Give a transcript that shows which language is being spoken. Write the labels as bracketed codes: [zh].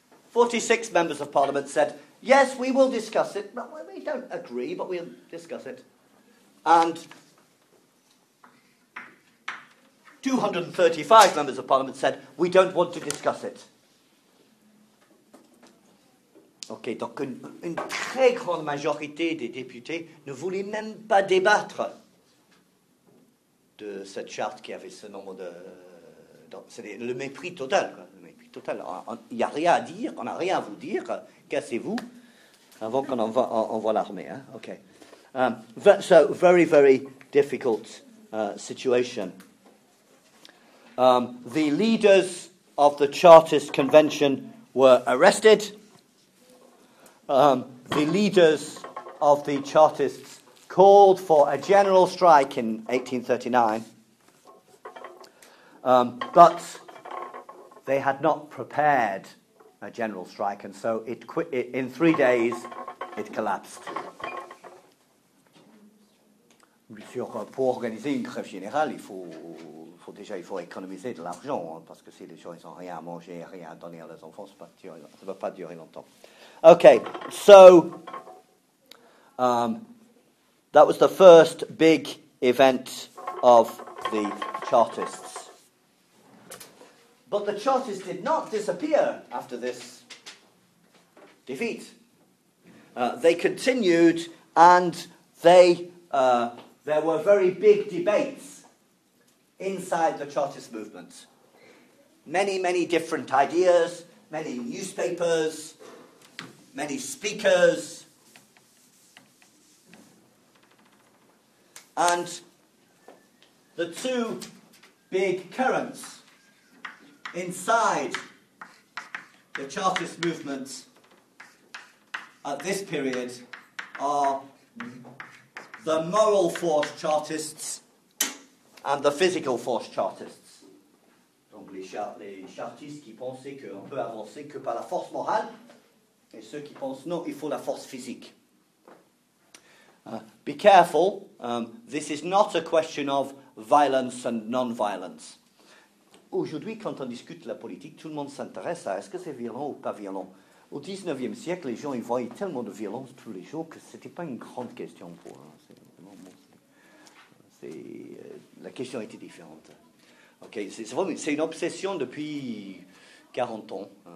[en] Forty-six members of Parliament said, yes, we will discuss it. Well, we don't agree, but we'll discuss it. And 235 members of Parliament said, we don't want to discuss it. [fr] OK, donc une très grande majorité des députés ne voulaient même pas débattre de cette charte qui avait ce nombre de... C'est le mépris total, quoi. Il n'y a rien à dire, on n'a rien à vous dire, cassez-vous, avant qu'on envoie l'armée. [en] Hein? Okay. So, very, very difficult situation. The leaders of the Chartist Convention were arrested. The leaders of the Chartists called for a general strike in 1839. But they had not prepared a general strike, and so in 3 days, it collapsed. [fr] Bien sûr, pour organiser une grève générale, il faut économiser de l'argent, hein, parce que si les gens ils ont rien à manger, rien à donner à leurs enfants, ça va pas durer longtemps. [en] Okay, so that was the first big event of the Chartists. But the Chartists did not disappear after this defeat. They continued, and there were very big debates inside the Chartist movement. Many, many different ideas, many newspapers, many speakers. And the two big currents inside the Chartist movement at this period are the moral force Chartists and the physical force Chartists. [fr] Donc les Chartistes qui pensaient qu'on peut avancer que par la force morale, et ceux qui pensent non, il faut la force physique. [en] Be careful, this is not a question of violence and non-violence. [fr] Aujourd'hui, quand on discute de la politique, tout le monde s'intéresse à est-ce que c'est violent ou pas violent. Au 19e siècle, les gens y voyaient tellement de violence tous les jours que ce n'était pas une grande question pour eux. La question était différente. Okay. C'est une obsession depuis 40 ans.